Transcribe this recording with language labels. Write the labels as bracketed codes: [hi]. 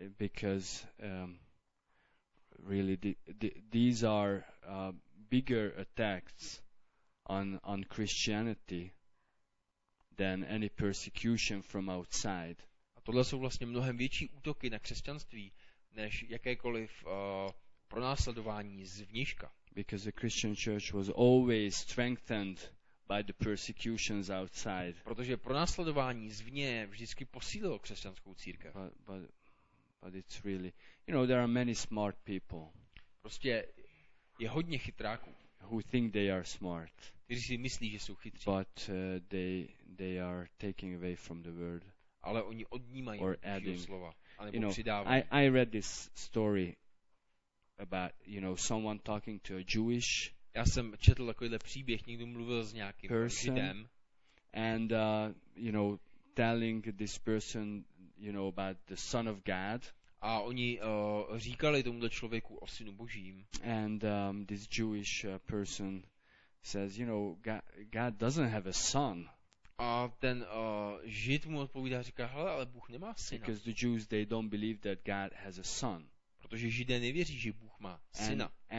[en] Because really these are bigger attacks on Christianity than any persecution from outside. [cs] A tohle jsou vlastně mnohem větší útoky na křesťanství než jakékoliv pronásledování zvnějška. [en] Because the Christian church was always strengthened by the persecutions outside. [cs] Protože pronásledování zvně vždycky posílilo křesťanskou církev. [en] But it's really, you know, there are many smart people. [cs] Prostě je hodně chytráků. [en] Who think they are smart. [cs] Kteří si myslí, že jsou chytří. [en] But they are taking away from the word. [cs] Ale oni odnímají Božího slova. [en] You know, I read this story about, you know, someone talking to a Jewish. [cs] Já jsem četl takovýhle příběh, někdo mluvil s nějakým Židem. [en] And you know, telling this person, you know, about the Son of God. [cs] A oni říkali tomuto člověku o Synu Božím. [en] And this Jewish person says, you know, God doesn't have a son. [cs] A ten Žid mu odpovídá, říká, hele, ale Bůh nemá syna. [en] Because the Jews, they don't believe that God has a son. [cs] Protože Židé nevěří, že Bůh má syna.